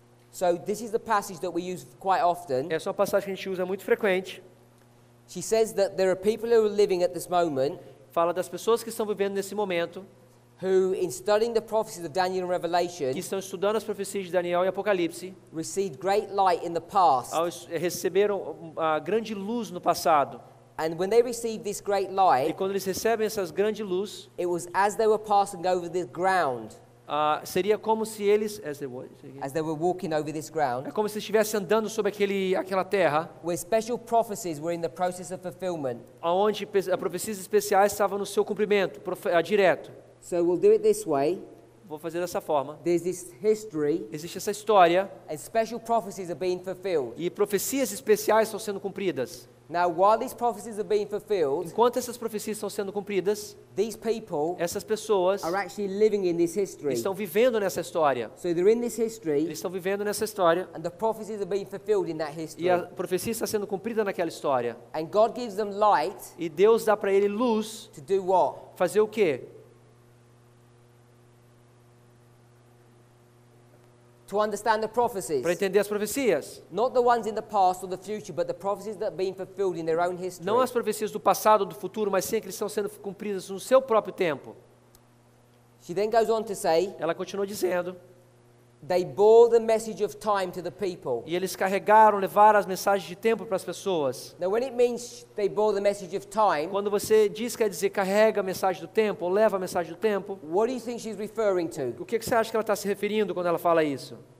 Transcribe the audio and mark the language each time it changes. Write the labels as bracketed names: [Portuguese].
[English] So this is the passage that we use quite often. [Portuguese] Essa é uma passagem que a gente usa muito frequente. [English] She says that there are people who are living at this moment. [Portuguese] Fala das pessoas que estão vivendo nesse momento. [English] Who, in studying the prophecies of Daniel and Revelation, [Portuguese] que estão estudando as profecias de Daniel e Apocalipse, [English] received great light in the past. [Portuguese] Receberam grande luz no passado. [English] And when they received this great light, [Portuguese] e quando eles recebem essa grande luz, [English] it was as they were passing over this ground. [Portuguese] Seria como se eles, [English] as they were walking over this ground, [Portuguese] é como se estivessem andando sobre aquela terra, [English] where special prophecies were in the process of fulfillment, [Portuguese] aonde profecias especiais estavam no seu cumprimento direto. [English] So we'll do it this way. [Portuguese] Vou fazer dessa forma. [English] There's this history. [Portuguese] Existe essa história. [English] And special prophecies are being fulfilled. [Portuguese] E profecias especiais estão sendo cumpridas. [English] Now, while these prophecies are being fulfilled, [Portuguese] enquanto essas profecias estão sendo cumpridas, [English] these people, [Portuguese] essas pessoas, [English] are actually living in this history. [Portuguese] Estão vivendo nessa história. [English] So they're in this history. [Portuguese] Eles estão vivendo nessa história. [English] And the prophecies are being fulfilled in that history. [Portuguese] E a profecia está sendo cumprida naquela história. [English] And God gives them light. [Portuguese] E Deus dá para ele luz. [English] To do what? [Portuguese] Fazer o quê? [English] To understand the prophecies. [Portuguese] Para entender as profecias. [English] Not the ones in the past or the future, but the prophecies that are being fulfilled in their own history. [Portuguese] Não as profecias do passado ou do futuro, mas sim as que estão sendo cumpridas no seu próprio tempo. [English] She then goes on to say. [Portuguese] Ela continua dizendo. [English] They bore the message of time to the people. [Portuguese] E eles carregaram, levaram as mensagens de tempo para as pessoas. [English] Now, when it means they bore the message of time, [Portuguese] quando você diz que quer dizer carrega a mensagem do tempo, ou leva a mensagem do tempo, [English] what do you think she's referring to? [Portuguese] O que você acha que ela está se referindo quando ela fala isso?